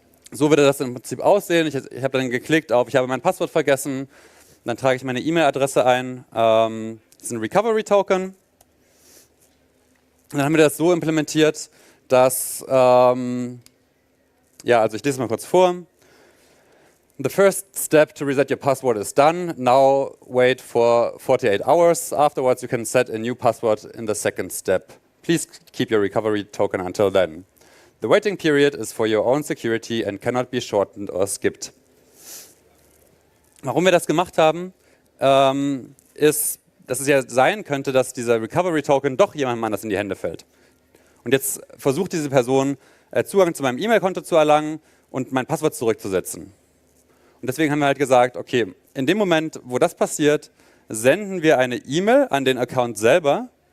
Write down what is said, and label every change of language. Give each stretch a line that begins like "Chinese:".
German: So würde das im Prinzip aussehen. Ich habe dann geklickt auf, ich habe mein Passwort vergessen, dann trage ich meine E-Mail-Adresse ein, das ist ein Recovery-Token. Und dann haben wir das so implementiert, dass, also ich lese es mal kurz vor.
English: The first step to reset your password is done. Now wait for 48 hours. Afterwards you can set a new password in the second step. Please keep your recovery token until then. The waiting period is for your own security and cannot be shortened or skipped.
German: Warum wir das gemacht haben, ist, dass es ja sein könnte, dass dieser Recovery Token doch jemandem anders in die Hände fällt. Und jetzt versucht diese Person, Zugang zu meinem E-Mail-Konto zu erlangen und mein Passwort zurückzusetzen. Und deswegen haben wir halt gesagt, okay, in dem Moment, wo das passiert, senden wir eine E-Mail an den Account selber.